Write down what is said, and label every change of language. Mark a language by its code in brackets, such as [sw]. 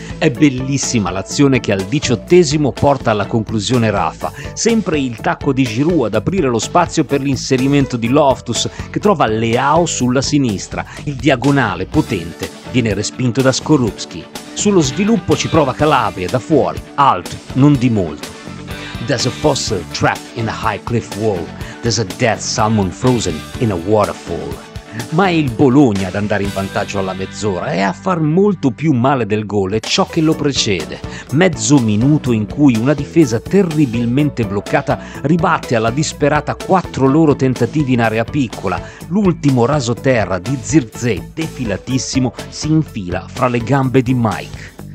[it] È bellissima l'azione che al 18esimo porta alla conclusione Rafa, sempre il tacco di Giroud ad aprire lo spazio per l'inserimento di Loftus, che trova Leao sulla sinistra, il diagonale potente viene respinto da Skorupski. Sullo sviluppo ci prova Calabria da fuori, alto, non di molto. [en] There's a fossil trapped in a high cliff wall, there's a dead salmon frozen in a waterfall. [it] Ma è il Bologna ad andare in vantaggio alla mezz'ora, e a far molto più male del gol è ciò che lo precede. Mezzo minuto in cui una difesa terribilmente bloccata ribatte alla disperata quattro loro tentativi in area piccola. L'ultimo raso terra di Zirkzee, defilatissimo, si infila fra le gambe di Mike.